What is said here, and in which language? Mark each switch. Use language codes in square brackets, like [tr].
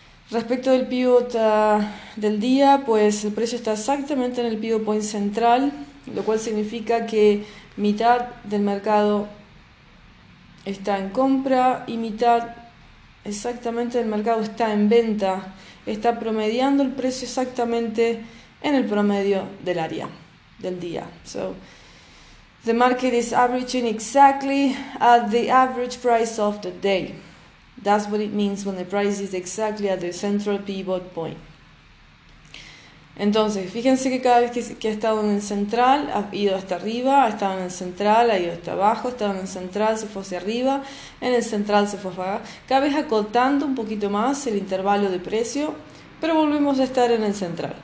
[es] Respecto del pivot del día, pues el precio está exactamente en el pivot point central, lo cual significa que mitad del mercado está en compra y mitad exactamente, el mercado está en venta, está promediando el precio exactamente en el promedio del área del día. [en] So, the market is averaging exactly at the average price of the day. That's what it means when the price is exactly at the central pivot point. [es] Entonces, fíjense que cada vez que ha estado en el central, ha ido hasta arriba, ha estado en el central, ha ido hasta abajo, ha estado en el central, se fue hacia arriba, en el central se fue hacia abajo. Cada vez acotando un poquito más el intervalo de precio, pero volvemos a estar en el central.